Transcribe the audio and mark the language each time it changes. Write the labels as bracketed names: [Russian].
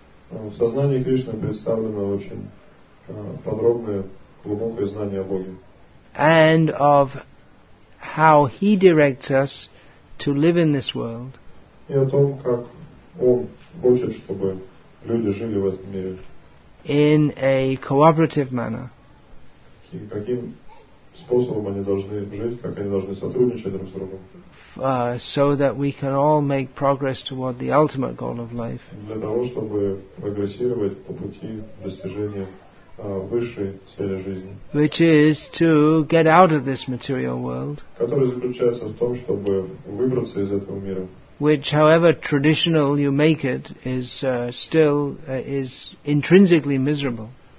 [Russian] В сознании Кришны представлено очень подробное, глубокое знание о Боге. [English] And of how he directs us to live in this world. [Russian] И о том, как он хочет, чтобы люди жили в этом мире. [English] In a cooperative manner. [Russian] Каким способом они должны жить, как они должны сотрудничать друг с другом. [English] So that we can all make progress toward the ultimate goal of life. [Russian] Для того, чтобы прогрессировать по пути достижения высшей цели жизни. [English] Which is to get out of this material world. [Russian] Который заключается в том, чтобы выбраться из этого мира. [English] Which, however traditional you make it, is still is intrinsically miserable.